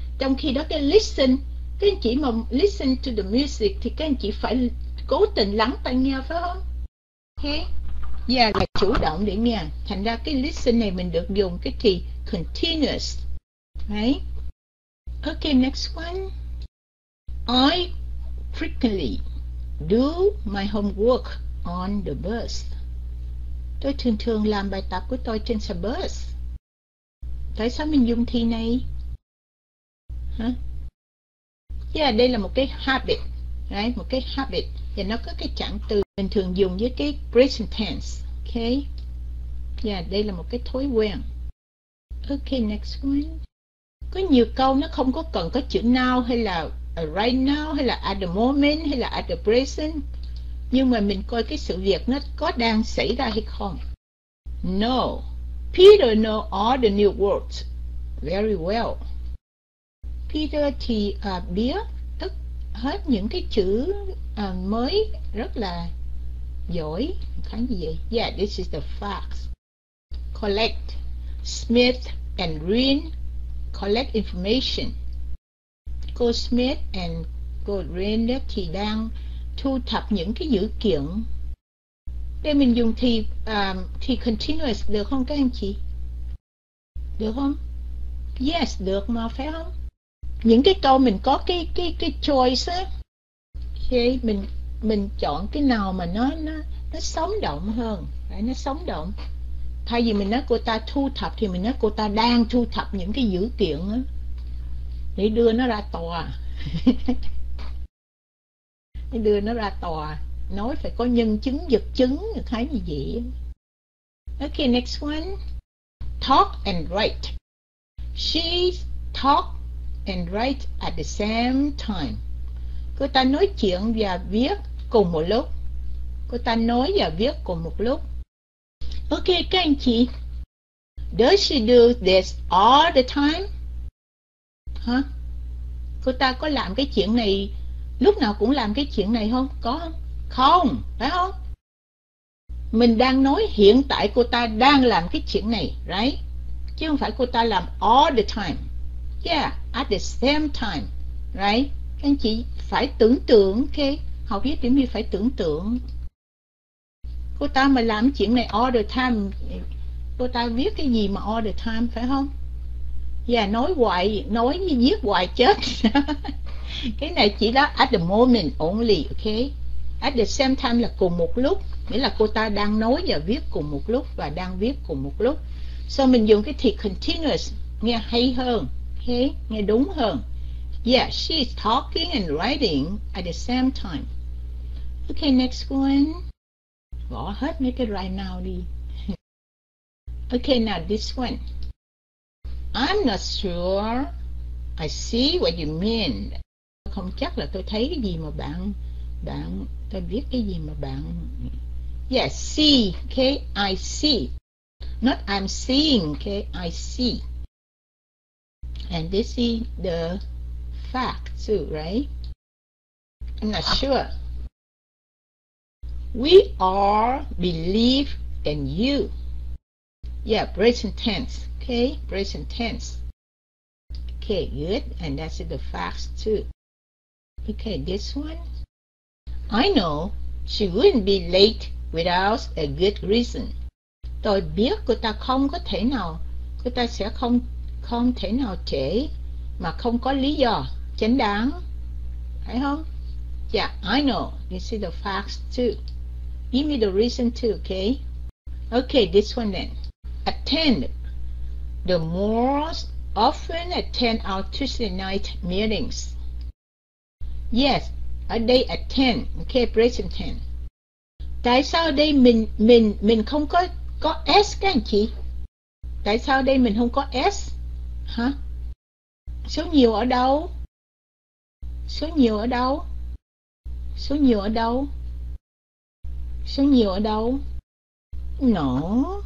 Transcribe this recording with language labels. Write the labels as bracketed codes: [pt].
[vi] Trong khi đó cái listen, cái anh chị mà [en] listen to the music [vi] thì cái anh chị phải cố tình lắng tai nghe, phải không? Okay. Yeah, là chủ động để nghe. Thành ra cái listen này mình được dùng cái thì continuous. Đấy. Okay, next one. [en] I frequently do my homework on the bus. [vi] Tôi thường thường làm bài tập của tôi trên xe bus. Tại sao mình dùng thì này? Huh? Yeah, đây là một cái habit. Right? Một cái habit. Và nó có cái chẳng từ mình thường dùng với cái present tense. Okay. Yeah, đây là một cái thói quen. Okay, next one. Có nhiều câu nó không có cần có chữ now hay là [en] right now [vi] hay là [en] at the moment [vi] hay là [en] at the present. [vi] Nhưng mà mình coi cái sự việc nó có đang xảy ra hay không. [en] No. Peter know all the new words very well. [vi] Peter thì biết tất hết những cái chữ mới rất là giỏi. Khán gì vậy? [en] Yeah, this is the facts. Collect. Smith and Rin collect information. [vi] Cô Smith and cô Rin thì đang thu thập những cái dữ kiện. Đây mình dùng thì continuous được không các anh chị? Được không? Yes, được mà, phải không? Những cái câu mình có cái choice á. Okay, mình chọn cái nào mà nó sống động hơn. Phải, nó sống động. Thay vì mình nói cô ta thu thập thì mình nói cô ta đang thu thập những cái dữ kiện á để đưa nó ra tòa. Để đưa nó ra tòa, nói phải có nhân chứng vật chứng thấy như vậy. [en] Okay, next one. Talk and write. She talk and write at the same time. [vi] Cô ta nói chuyện và viết cùng một lúc. Cô ta nói và viết cùng một lúc. [en] Ok, [vi] các anh chị. [en] Does she do this all the time? Hả? Huh? [vi] Cô ta có làm cái chuyện này lúc nào cũng làm cái chuyện này không? Có không? Không, phải không? Mình đang nói hiện tại cô ta đang làm cái chuyện này, right? Chứ không phải cô ta làm [en] all the time. Yeah, at the same time, right? [vi] Anh chị phải tưởng tượng, ok? Học viết tiếng Việt phải tưởng tượng. Cô ta mà làm chuyện này [en] all the time, [vi] cô ta viết cái gì mà all the time, phải không? Yeah, nói hoài, nói như viết hoài chết. Cái này chỉ là [en] at the moment only, [vi] ok? [en] At the same time [vi] là cùng một lúc, nghĩa là cô ta đang nói và viết cùng một lúc và đang viết cùng một lúc. So mình dùng cái thì continuous nghe hay hơn, okay? Nghe đúng hơn. [en] Yeah, she's talking and writing at the same time. Okay, next one. [vi] Bỏ hết mấy cái right now đi. [en] Okay, now this one. I'm not sure I see what you mean. Không chắc là tôi thấy cái gì mà bạn bạn tôi biết cái gì mà bạn. Yes, see, okay, I see. Not I'm seeing, okay, I see. And this is the fact too, right? I'm not sure. We are believe in you. Yeah, present tense, okay, present tense. Okay, good, and that's the fact too. Okay, this one. I know she wouldn't be late without a good reason. [vi] Tôi biết cô ta không có thể nào, cô ta sẽ không không thể nào trễ mà không có lý do chính đáng, phải không? [en] Yeah, I know. This is the facts too. Give me the reason too, okay? Okay, this one then. Attend. The Moors often attend our Tuesday night meetings. Yes, they attend. Okay, present tense. [vi] Tại sao đây mình không có có S các anh chị? Tại sao đây mình không có S? Hả? Số nhiều ở đâu? Số nhiều ở đâu? Số nhiều ở đâu? Số nhiều ở đâu? No.